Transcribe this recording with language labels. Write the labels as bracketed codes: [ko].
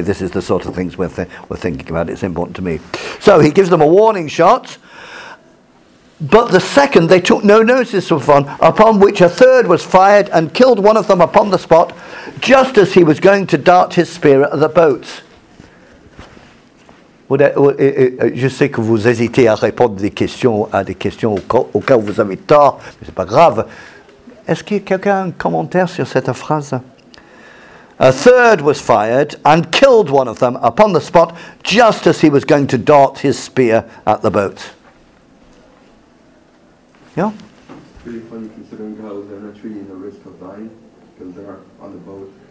[en] This is the sort of things we're thinking about. It's important to me. So he gives them a warning shot. But the second they took no notice of one, upon which a third was fired and killed one of them upon the spot, just as he was going to dart his spear at the boats. [fr] Je sais que vous hésitez à répondre à des questions auxquelles vous avez tort, mais c'est pas grave. Est-ce qu'il y a quelqu'un un commentaire sur cette phrase? [en] A third was fired and killed one of them upon the spot, just as he was going to dart his spear at the boats. Yeah. pretty funny considering how they're not really in the risk of dying because they're on the boat.